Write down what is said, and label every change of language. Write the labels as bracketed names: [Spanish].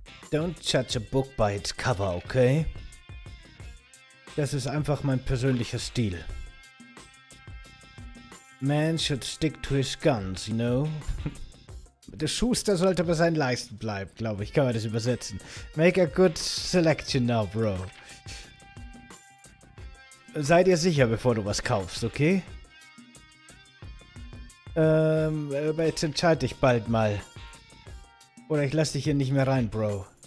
[English] Don't judge a book by its cover, okay? [German] Das ist einfach mein persönlicher Stil. [English] Man should stick to his guns, you know? [German] Der Schuster sollte bei seinen Leisten bleiben, glaube ich. Kann man das übersetzen? [English] Make a good selection now, bro. [German] Sei dir sicher, bevor du was kaufst, okay? Aber jetzt entscheide dich bald mal. Oder ich lass dich hier nicht mehr rein, bro.